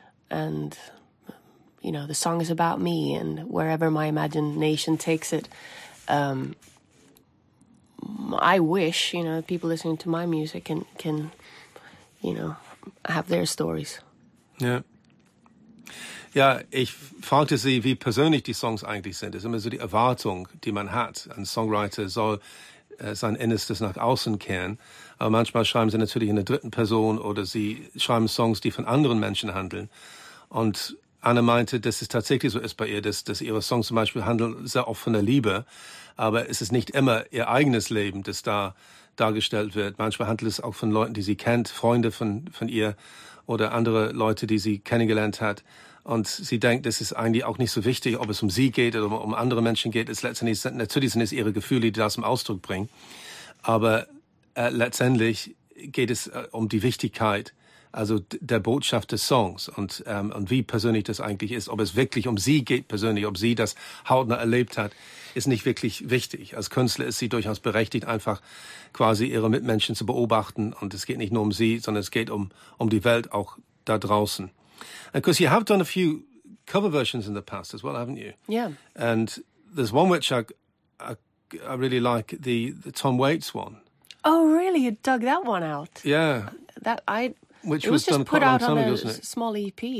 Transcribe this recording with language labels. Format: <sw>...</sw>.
<en>And, you know, the song is about me and wherever my imagination takes it. I wish, you know, people listening to my music can, you know, have their stories. Yeah.</en> <de>Ja, ich fragte sie, wie persönlich die Songs eigentlich sind. Das ist immer so die Erwartung, die man hat. Ein Songwriter soll sein Innerstes nach außen kehren. Aber manchmal schreiben sie natürlich in der dritten Person oder sie schreiben Songs, die von anderen Menschen handeln. Und Anna meinte, dass es tatsächlich so ist bei ihr, dass ihre Songs zum Beispiel handeln sehr oft von der Liebe, aber es ist nicht immer ihr eigenes Leben, das da dargestellt wird. Manchmal handelt es auch von Leuten, die sie kennt, Freunde von ihr oder andere Leute, die sie kennengelernt hat. Und sie denkt, es ist eigentlich auch nicht so wichtig, ob es um sie geht oder um andere Menschen geht. Natürlich sind es ihre Gefühle, die das im Ausdruck bringen. Aber letztendlich geht es um die Wichtigkeit, also der Botschaft des Songs und wie persönlich das eigentlich ist. Ob es wirklich um sie geht persönlich, ob sie das hautnah erlebt hat, ist nicht wirklich wichtig. Als Künstler ist sie durchaus berechtigt, einfach quasi ihre Mitmenschen zu beobachten. Und es geht nicht nur um sie, sondern es geht um die Welt auch da draußen.</de> <en>Because you have done a few cover versions in the past as well, haven't you? Yeah. And there's one which I really like, the Tom Waits one. Oh, really? You dug that one out? Yeah. Which was done quite a long time ago, wasn't it? Small EP.</en>